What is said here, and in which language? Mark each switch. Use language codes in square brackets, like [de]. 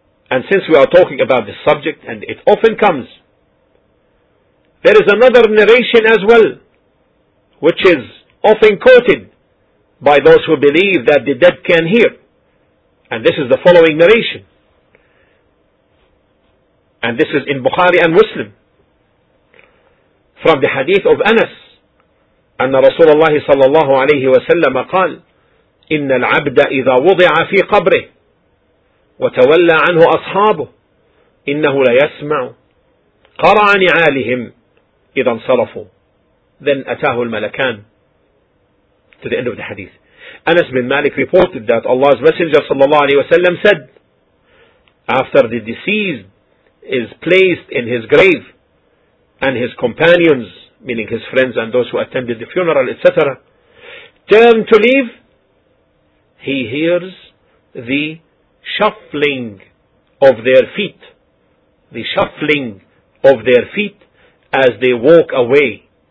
[en] And since we are talking about this subject and it often comes, there is another narration as well which is often quoted by those who believe that the dead can hear. And this is the following narration. And this is in Bukhari and Muslim. From the hadith of Anas, [ar] أَنَّ رَسُولَ اللَّهِ صَلَّى اللَّهُ عَلَيْهِ وَسَلَّمَ قَالَ إِنَّ الْعَبْدَ إِذَا وُضِعَ فِي قَبْرِهِ وَتَوَلَّى عَنْهُ أَصْحَابُهُ إِنَّهُ لَيَسْمَعُ قَرَعَ نِعَالِهِمْ إِذَا انْصَرَفُوا [en] Then [ar] أَتَاهُ الْمَلَكَانِ. [en] To the end of the hadith, Anas bin Malik reported that Allah's Messenger [ar] صلى الله عليه وسلم [en] said, after the deceased is placed in his grave and his companions, meaning his friends and those who attended the funeral, etc., turn to leave, he hears the shuffling of their feet, the shuffling of their feet as they walk away.